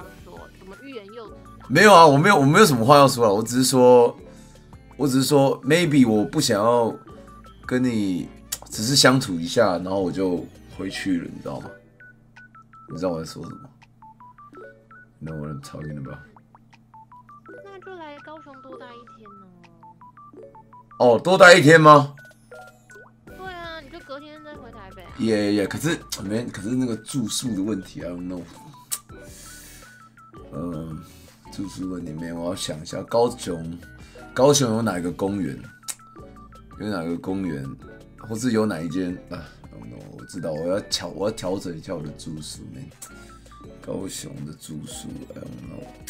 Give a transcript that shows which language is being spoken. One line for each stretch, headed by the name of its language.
Chinese: 有什么话要说？怎么欲言又止啊？没有啊，我没有什么话要说了。我只是说 ，maybe 我不想要跟你只是相处一下，然后我就回去了，你知道吗？你知道我在说什么 ？
English: You know what I'm talking about？
Chinese: 那就来高雄多待一天呢。哦，多待一天吗？对啊，你就隔天再回台北、啊。
English: Yeah， yeah，
Chinese: 可是那个住宿的问题 ，
English: I don't know。
Chinese: 住宿问题面，我要想一下，高雄有哪一个公园？有哪个公园，或是有哪一间？啊 ，no， 我知道，我要调整一下我的住宿面。高雄的住宿 ，no，